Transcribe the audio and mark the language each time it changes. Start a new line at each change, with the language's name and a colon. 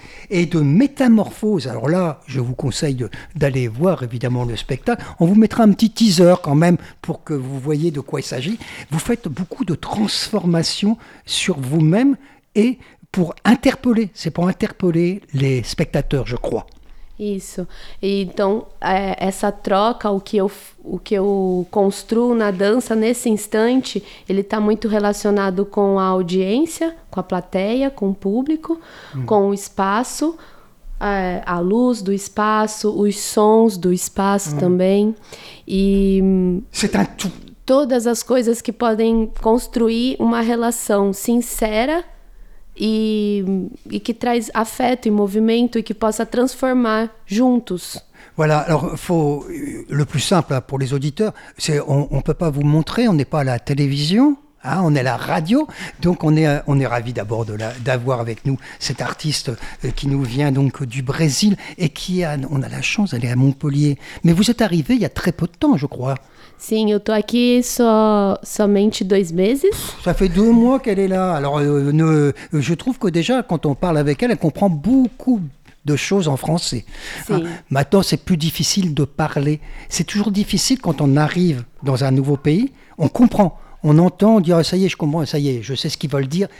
French: Et de métamorphose. Alors là, je vous conseille d'aller voir évidemment le spectacle. On vous mettra un petit teaser quand même pour que vous voyez de quoi il s'agit. Vous faites beaucoup de transformations sur vous-même et pour interpeller. C'est pour interpeller les spectateurs, je crois.
Portuguese: Isso. Então, essa troca, o que eu construo na dança nesse instante, ele está muito relacionado com a audiência, com a plateia, com o público, com o espaço, a luz do espaço, os sons do espaço também. E
French: c'est un tout.
Portuguese: Todas as coisas que podem construir uma relação sincera
French: et qui
Portuguese: traz
French: affecte et mouvement et
Portuguese: qui possa transformer juntos.
French: Voilà, alors faut, le plus simple pour les auditeurs, c'est on ne peut pas vous montrer, on n'est pas à la télévision, hein, on est à la radio, donc on est ravis d'abord d'avoir avec nous cet artiste qui nous vient donc du Brésil et qui a, on a la chance d'aller à Montpellier. Mais vous êtes arrivé il y a très peu de temps, je crois.
Portuguese: Sim, eu estou aqui somente 2 meses.
French: Ça fait 2 mois qu'elle est là. Alors, je trouve que déjà, quand on parle avec elle, elle comprend beaucoup de choses en français. Hein? Maintenant, c'est plus difficile de parler. C'est toujours difficile quand on arrive dans un nouveau pays. On comprend, on entend, on dit, ça y est, je comprends, ça y est, je sais ce qu'ils veulent dire.